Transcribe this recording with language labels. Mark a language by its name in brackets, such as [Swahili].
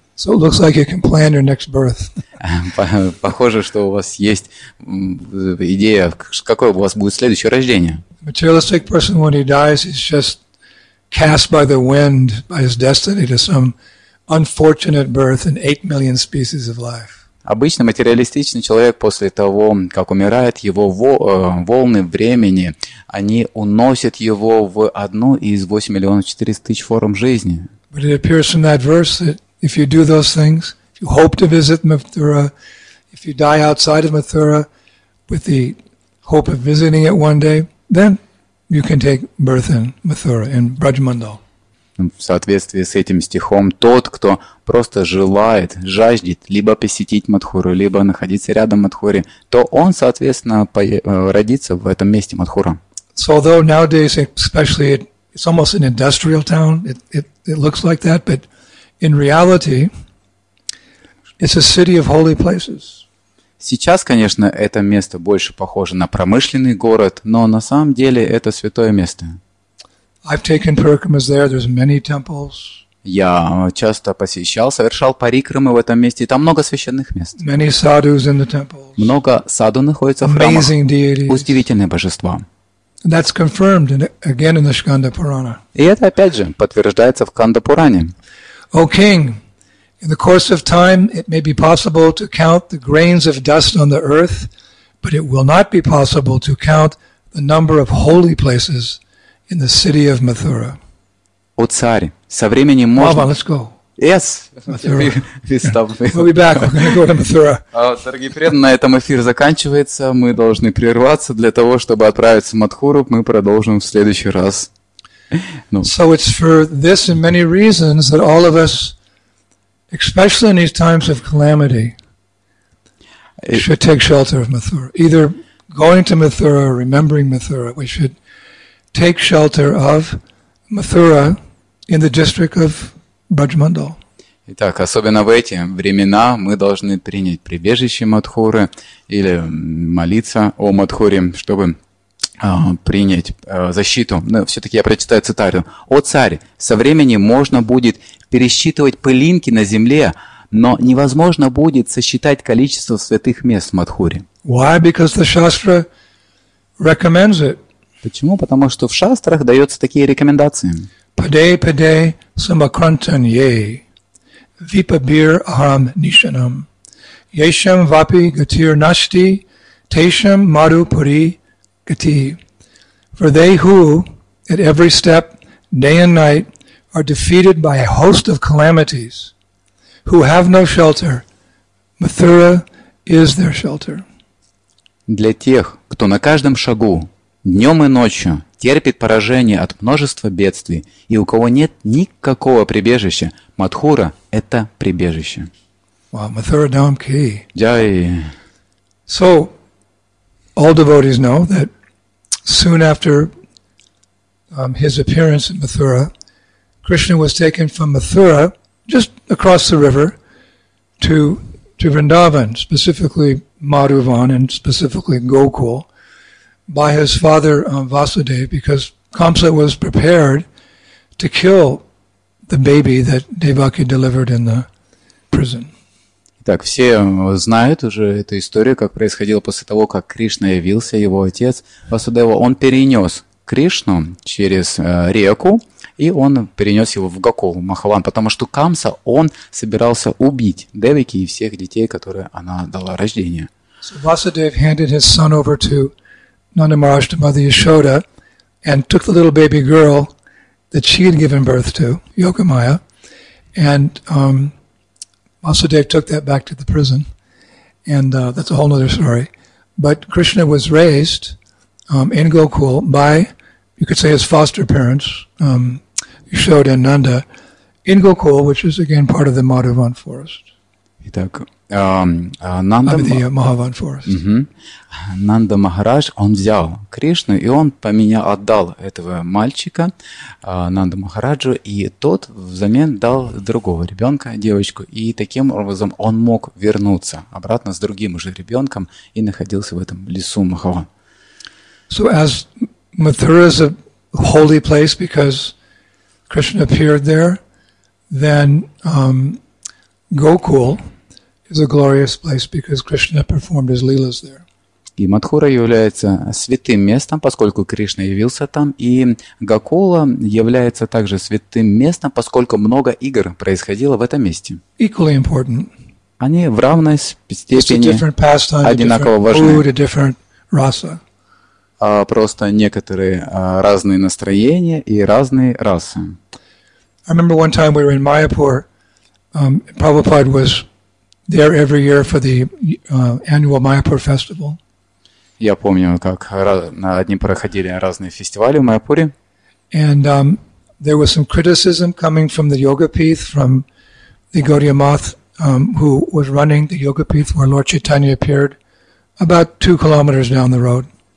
[English] So it looks like you can plan your next birth. [Russian] Похоже, что у вас есть идея, какое у вас будет следующее рождение. [English] Materialistic person, when he dies, he's just cast by the wind, by his destiny, to some unfortunate birth in 8 million species of life. [Russian] Обычно материалистичный человек после того, как умирает, его волны времени, они уносят его в одну из 8 миллионов 400 тысяч форм жизни. [English] But it appears from that verse that if you do those things, if you hope to visit Mathura, if you die outside of Mathura with the hope of visiting it one day, then you can take birth in Mathura, in Brajmandala. [Russian] В соответствии с этим стихом, тот, кто просто желает, жаждет либо посетить Мадхуру, либо находиться рядом Мадхуре, то он, соответственно, родится в этом месте Мадхура. [English] So although nowadays, especially, it's almost an industrial town, it looks like that, but in reality, it's a city of holy places. [Russian] Сейчас, конечно, это место больше похоже на промышленный город, но на самом деле это святое место. [English] I've taken pilgrimages there. There's many temples. [Russian] Я часто посещал, совершал парикрамы в этом месте, и там много священных мест. [English] Many sadhus in the temples. [Russian] Много саду находится в храмах. [English] Amazing deities. [Russian] Удивительные божества. [English] That's confirmed again in the Skanda Purana. [Russian] И это опять же подтверждается в Канда Пуране. [English] O king, in the course of time, it may be possible to count the grains of dust on the earth, but it will not be possible to count the number of holy places. In the city of Mathura. [Russian] О царь, со временем можно. [English] Мама, let's go. Yes. Mathura. We'll be back. We're going to go to Mathura. [Russian] Дорогие преданные, на этом эфир заканчивается. Мы должны прерваться для того, чтобы отправиться в Мадхуру. Мы продолжим в следующий раз. [English] So it's for this and many reasons that all of us, especially in these times of calamity, should take shelter of Mathura. Either going to Mathura or remembering Mathura, we should take shelter of Mathura in the district of Brajmandala. [Russian] Итак, особенно в эти времена мы должны принять прибежище Мадхуры или молиться о Мадхуре, чтобы принять защиту. Но все-таки я прочитаю цитату. «О царь, со временем можно будет пересчитывать пылинки на земле, Но невозможно будет сосчитать количество святых мест в Мадхуре. [English] Why? Because the Shastra recommends it. [Russian] Почему? Потому что в шастрах даются такие рекомендации. [Sanskrit] Паде паде самакрантанье випабир ахам нишанам ешам вапи гатир нашти тешам мару пури гати. [English] For they who, at every step, day and night, are defeated by a host of calamities, who have no shelter, Mathura is their shelter. [Russian] Для тех, кто на каждом шагу, днем и ночью, терпит поражение от множества бедствий, и у кого нет никакого прибежища, Мадхура – это прибежище. [English] Wow, Mathura Dham Ki. [Hindi] Jai. [English] So, all devotees know that soon after his appearance in Mathura, Krishna was taken from Mathura, just across the river, to Vrindavan, specifically Madhuvan and specifically Gokul, by his father Vasudev, because Kamsa was prepared to kill the baby that Devaki delivered in the prison. [Russian] Так, все знают уже эту историю, как происходило после того, как Кришна явился, его отец Васудева. Он перенес Кришну через реку, и он перенес его в Гокул, Махалан, потому что Камса, он собирался убить Девики и всех детей, которые она дала рождение. [English] So Vasudev handed his son over to Nanda Maharaj, to Mother Yashoda, and took the little baby girl that she had given birth to, Yogamaya, and Vasudev took that back to the prison, and that's a whole other story. But Krishna was raised in Gokul by, you could say, his foster parents, Yashoda and Nanda, in Gokul, which is again part of the Madhuvan forest. [Russian] Итак, Нанда, Махаван Форест. Нанда Махарадж, он взял Кришну, и он поменял, отдал этого мальчика Нанда Махараджу, и тот взамен дал другого ребенка, девочку, и таким образом он мог вернуться обратно с другим уже ребенком и находился в этом лесу Махаван. [English] So as Mathura is a holy place because Krishna appeared there, then Gokul is a glorious place because Krishna performed his leelas there. [Russian] И Мадхура является святым местом, поскольку Кришна явился там, и Гокула является также святым местом, поскольку много игр происходило в этом месте. [English] Equally important. [Russian] Они в равной степени одинаково важны. [English] Food, a different rasa. [Russian] Просто некоторые разные настроения и разные расы. [English] I remember one time we were in Mayapur. Prabhupada was there every year for the annual Mayapur festival. [Russian] Я помню, как на одни проходили разные фестивали в Майяпуре. [English] And there was some criticism coming from the Yogapith, from the Gaudiya Math, who was running the Yogapith where Lord Chaitanya appeared, about 2 kilometers down the road.